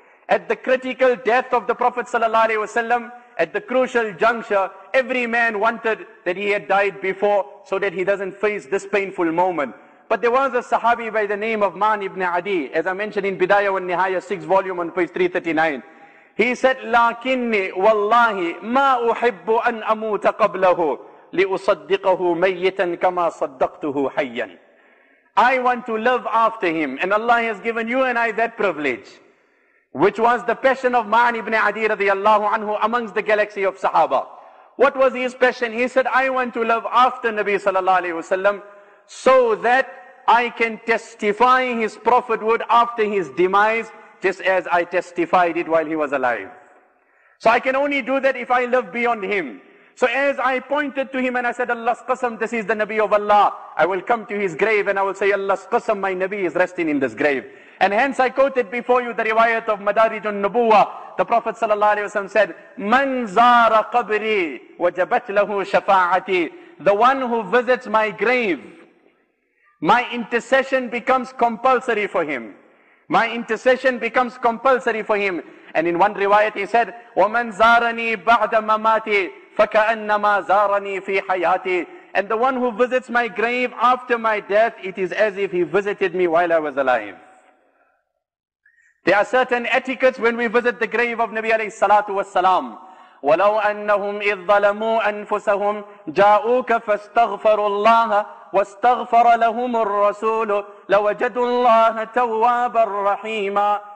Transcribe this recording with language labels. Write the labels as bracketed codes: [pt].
[en] At the critical death of the Prophet sallallahu alayhi wasallam, at the crucial juncture, every man wanted that he had died before so that he doesn't face this painful moment. But there was a sahabi by the name of Ma'an ibn Adi, as I mentioned in Bidayah wa Nihaya, 6th volume on page 339. He said, [ar] لَكِنِّي وَاللَّهِ مَا أُحِبُّ أَنْ أَمُوتَ قَبْلَهُ لِأُصَدِّقَهُ مَيِّتًا كَمَا صَدَّقْتُهُ حَيًّا. [en] I want to live after him. And Allah has given you and I that privilege. Which was the passion of Ma'an ibn Adi radiallahu anhu amongst the galaxy of Sahaba. What was his passion? He said, I want to live after Nabi sallallahu alayhi wasallam so that I can testify his prophethood after his demise, just as I testified it while he was alive. So I can only do that if I live beyond him. So as I pointed to him and I said, Allah's Qasam, this is the Nabi of Allah. I will come to his grave and I will say, Allah's Qasam, my Nabi is resting in this grave. And hence I quoted before you the riwayat of Madarij al-Nubuwa. The Prophet sallallahu alayhi wa sallam said, [ar] Man zara qabri wajabat lahu shafa'ati. [en] The one who visits my grave, my intercession becomes compulsory for him. My intercession becomes compulsory for him. And in one riwayat he said, [ar] وَمَنْ زَارَنِي بَعْدَ مَمَاتِي فَكَأَنَّمَا زَارَنِي فِي حَيَاتِي. [en] And the one who visits my grave after my death, it is as if he visited me while I was alive. There are certain etiquettes when we visit the grave of Nabi alayhi salatu wassalam. [ar] وَلَوْ أَنَّهُمْ إِذْ ظَلَمُوا أَنفُسَهُمْ جَاءُوكَ فَاسْتَغْفَرُوا اللَّهَ واستغفر لهم الرسول لوجدوا الله توابا رحيما.